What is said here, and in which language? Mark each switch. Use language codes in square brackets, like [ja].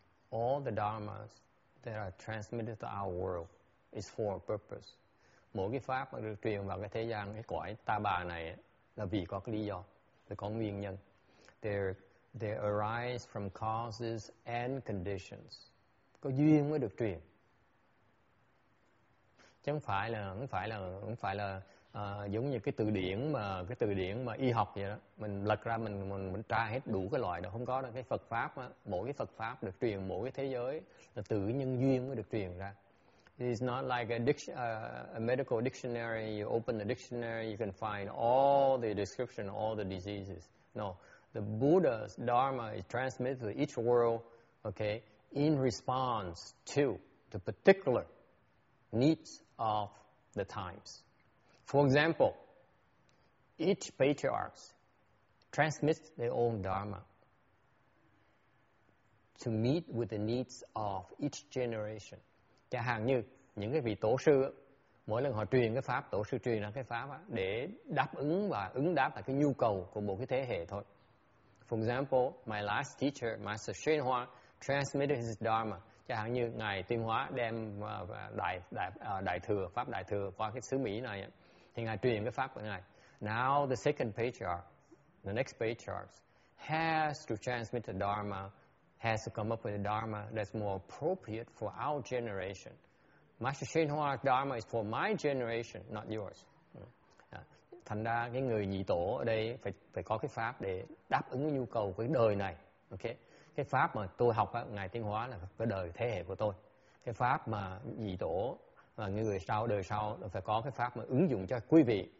[en] All the dharmas that are transmitted to our world is for a purpose. [vi] Mỗi cái pháp mà được truyền vào cái thế gian, cái cõi ta bà này là vì có cái lý do, là có nguyên nhân. [en] They arise from causes and conditions. [vi] Có duyên mới được truyền. Chứ không phải là giống như cái từ điển mà y học vậy đó. Mình lật ra mình tra hết đủ cái loại đó, không có đâu. Cái Phật pháp á, mỗi cái Phật pháp được truyền mỗi cái thế giới là từ cái nhân duyên mới được truyền ra. [en] It's not like a medical dictionary. You open the dictionary, you can find all the description, all the diseases. No. The Buddha's Dharma is transmitted to each world, okay, in response to the particular needs of the times. For example, each patriarch transmits their own dharma to meet with the needs of each generation. [vi] Chẳng hạn như những cái vị tổ sư, mỗi lần họ truyền cái pháp, tổ sư truyền ra cái pháp để đáp ứng và ứng đáp lại cái nhu cầu của một cái thế hệ thôi. [en] For example, my last teacher, Master Xuyên Hoa, transmitted his dharma. [vi] Chẳng hạn như ngài Tuyên Hóa đem đại thừa pháp đại thừa qua cái xứ Mỹ này, thì ngài truyền cái pháp của ngài. [en] Now the second patriarch, the next patriarch, has to transmit the dharma, has to come up with a dharma that's more appropriate for our generation. Master Xuyên Hoa dharma is for my generation, not yours. [vi] Thành ra cái người nhị tổ ở đây phải có cái pháp để đáp ứng cái nhu cầu của cái đời này. Okay. Cái pháp mà tôi học ngày Tiến Hóa là cái đời thế hệ của tôi. Cái pháp mà nhị tổ và người sau đời sau phải có cái pháp mà ứng dụng cho quý vị.